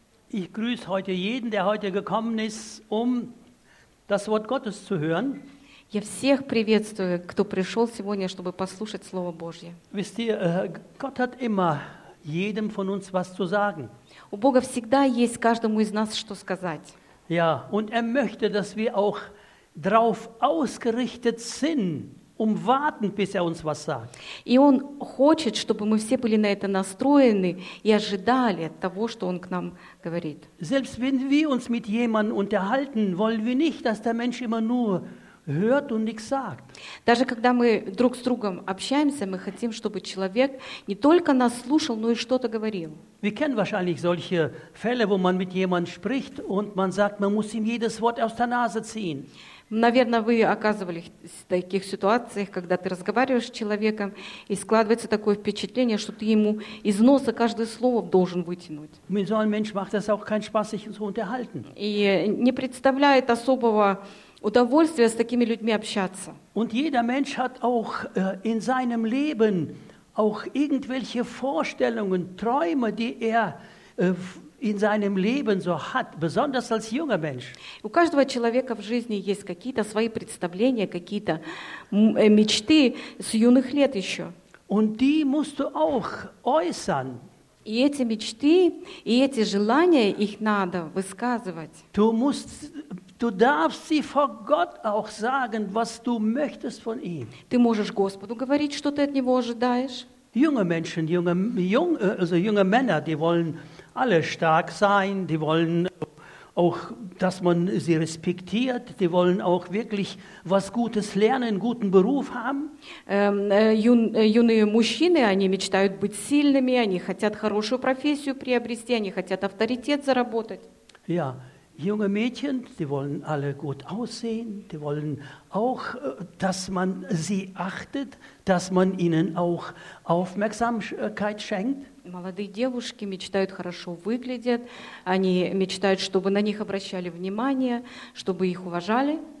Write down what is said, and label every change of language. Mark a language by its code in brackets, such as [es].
[de] Ich grüße heute jeden, der heute gekommen ist, um das Wort Gottes zu hören. [ru] Я всех приветствую, кто пришел сегодня, чтобы послушать Слово Божье. [de] Wisst ihr, Gott hat immer jedem von uns was zu sagen. [ru] У Бога всегда есть каждому из нас что сказать. [de] Ja, und er möchte, dass wir auch drauf ausgerichtet sind, um warten, bis er uns was sagt. [ru] И он хочет, чтобы мы все были на это настроены и ожидали того, что он к нам говорит. [de] Selbst wenn wir uns mit jemandem unterhalten, wollen wir nicht, dass der Mensch immer nur hört und nichts sagt. [ru] Даже когда мы друг с другом общаемся, мы хотим, чтобы человек не только нас слушал, но и что-то говорил. [de] Wir kennen wahrscheinlich solche Fälle, wo man mit jemandem spricht und man sagt, man muss ihm jedes Wort aus der Nase ziehen. [ru] Наверное, вы оказывались в таких ситуациях, когда ты разговариваешь с человеком, и складывается такое впечатление, что ты ему из носа каждое слово должен вытянуть. [de] So ein Mensch macht es auch keinen Spaß, sich zu unterhalten. [ru] И не представляет особого удовольствия с такими людьми общаться. [de] Und jeder Mensch hat auch in seinem Leben auch irgendwelche Vorstellungen, Träume, die er in seinem Leben so hat, besonders als junger Mensch. [ru] У каждого человека в жизни есть какие-то свои представления, какие-то мечты с юных лет еще. [de] Und die musst du auch äußern. [ru] И эти мечты, и эти желания, их надо высказывать. [de] Du musst, du darfst sie vor Gott auch sagen, was du möchtest von ihm. [ru] Ты можешь Господу говорить, что ты от него ожидаешь. [de] Junge Menschen, junge Männer, die wollen alle stark sein, die wollen auch, dass man sie respektiert, die wollen auch wirklich was Gutes lernen, guten Beruf haben. Junge [ru] мужчины, они мечтают быть сильными, они хотят хорошую профессию приобрести, они хотят авторитет заработать. [de] Ja, junge Mädchen, die wollen alle gut aussehen, die wollen auch, dass man sie achtet, dass man ihnen auch Aufmerksamkeit schenkt. [ru] Молодые девушки мечтают хорошо выглядеть, они мечтают, чтобы на них обращали внимание, чтобы их уважали.